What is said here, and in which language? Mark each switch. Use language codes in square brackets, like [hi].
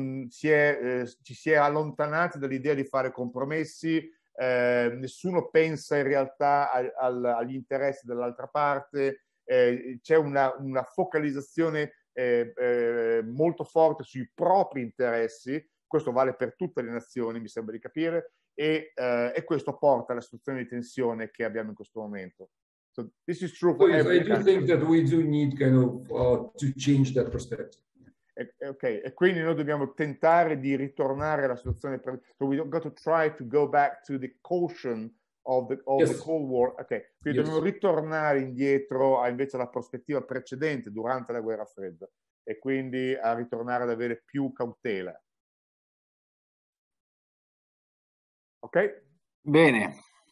[it] ci si è allontanati dall'idea di fare compromessi, nessuno pensa in realtà agli interessi dell'altra parte, c'è una focalizzazione molto forte sui propri interessi, questo vale per tutte le nazioni, mi sembra di capire, e questo porta alla situazione di tensione che abbiamo in questo momento. [en] So, this is true. Well, yes, I do think that we do need kind of to change that perspective. [it] Okay, e quindi noi dobbiamo tentare di ritornare alla situazione. [en] So we got to try to go back to the caution of the Cold War. [it] Okay, quindi dobbiamo ritornare indietro a invece la prospettiva precedente durante la guerra fredda e quindi a ritornare ad avere più cautela. Ok? Bene.